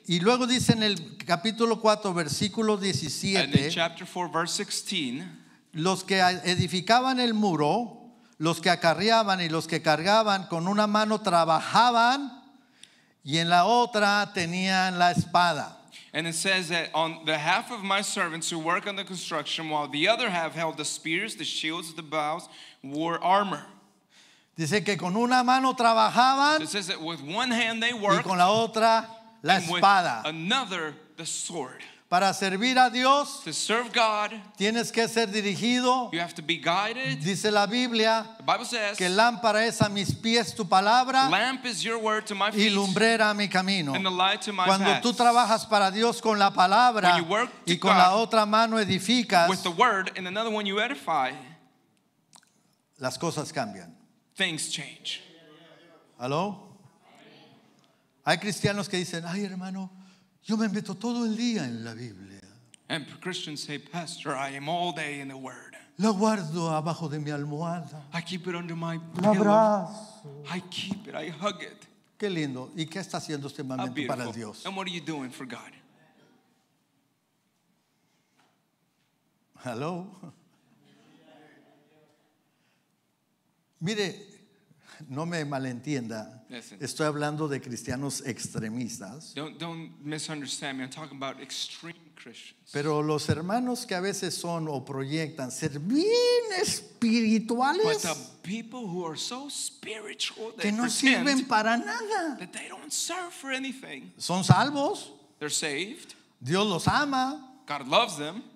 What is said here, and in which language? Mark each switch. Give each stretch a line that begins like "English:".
Spanish: Y luego dice en el capítulo 4, versículo 17,
English: and in chapter 4, verse 16,
Spanish: los que edificaban el muro, los que acarreaban y los que cargaban con una mano trabajaban y en la otra tenían la espada.
English: And it says that on the half of my servants who work on the construction, while the other half held the spears, the shields, the bows, wore armor.
Spanish: Dice que con una mano trabajaban,
English: it says that with one hand they worked,
Spanish: y con la otra la espada.
English: With another the sword.
Spanish: Para servir a Dios,
English: to serve God,
Spanish: tienes que ser dirigido.
English: You have to be guided.
Spanish: Dice la Biblia,
English: the Bible says,
Spanish: que lámpara es a mis pies tu palabra,
English: lamp is your word to my feet,
Spanish: y lumbrera a mi camino.
English: And the light to my
Spanish: Cuando
English: path.
Spanish: Tú trabajas para Dios con la palabra,
English: when you work to
Spanish: y con
English: God,
Spanish: la otra mano edificas,
English: with the word and another one you edify,
Spanish: las cosas cambian.
English: Things change.
Spanish: ¿Aló? Hay cristianos que dicen, ay hermano, yo me meto todo el día en la Biblia.
English: And Christians say, Pastor, I am all day in the Word.
Spanish: Lo guardo abajo de mi almohada.
English: I keep it under my pillow.
Spanish: Lo abrazo.
English: I keep it, I hug it.
Spanish: Qué lindo. ¿Y qué está haciendo este momento para Dios?
English: And what are you doing for God? Hello.
Spanish: Mire, no me malentienda.
English: Listen.
Spanish: Estoy hablando de cristianos extremistas.
English: Don't misunderstand me. I'm talking about extreme Christians.
Spanish: Pero los hermanos que a veces son o proyectan ser bien espirituales,
English: but the people who are so spiritual,
Spanish: que no sirven para nada,
English: that they don't serve for anything,
Spanish: son salvos,
English: they're saved,
Spanish: Dios los ama,
English: God loves them.